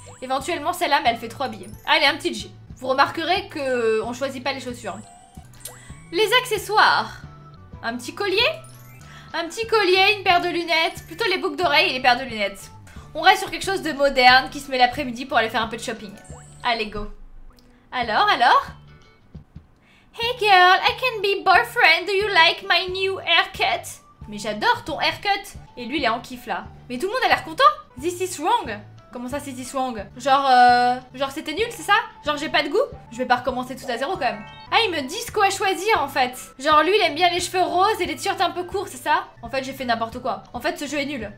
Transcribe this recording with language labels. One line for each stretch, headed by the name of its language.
French: Éventuellement, celle-là, mais elle fait trop habillée. Allez, un petit jean. Vous remarquerez qu'on choisit pas les chaussures. Les accessoires. Un petit collier. Un petit collier, une paire de lunettes. Plutôt les boucles d'oreilles et les paires de lunettes. On reste sur quelque chose de moderne qui se met l'après-midi pour aller faire un peu de shopping. Allez, go. Alors.
English: Hey girl, I can be boyfriend. Do you like my new haircut?
French: Mais j'adore ton haircut. Et lui, il est en kiff là. Mais tout le monde a l'air content.
English: This is wrong.
French: Comment ça c'est Tiswang? Genre c'était nul, c'est ça? Genre j'ai pas de goût? Je vais pas recommencer tout à zéro quand même. Ah, ils me disent quoi choisir en fait. Genre lui il aime bien les cheveux roses et les t-shirts un peu courts, c'est ça? En fait j'ai fait n'importe quoi. En fait ce jeu est nul.